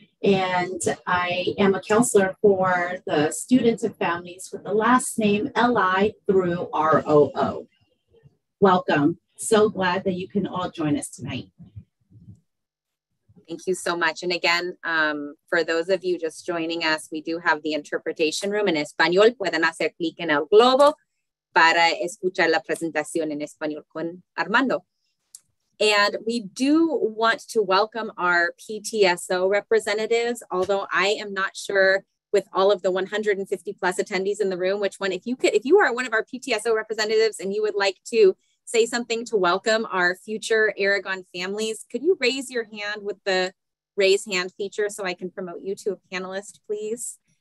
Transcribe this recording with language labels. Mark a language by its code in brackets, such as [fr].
[en] And I am a counselor for the students and families with the last name L-I through R-O-O. Welcome. So glad that you can all join us tonight. Thank you so much. And again, for those of you just joining us, we do have the interpretation room in Espanol. [es] Pueden hacer clic en el globo para escuchar la presentación en Espanol con Armando. [en] And we do want to welcome our PTSO representatives, although I am not sure with all of the 150 plus attendees in the room, which one, if you are one of our PTSO representatives and you would like to say something to welcome our future Aragon families, could you raise your hand with the raise hand feature so I can promote you to a panelist, please?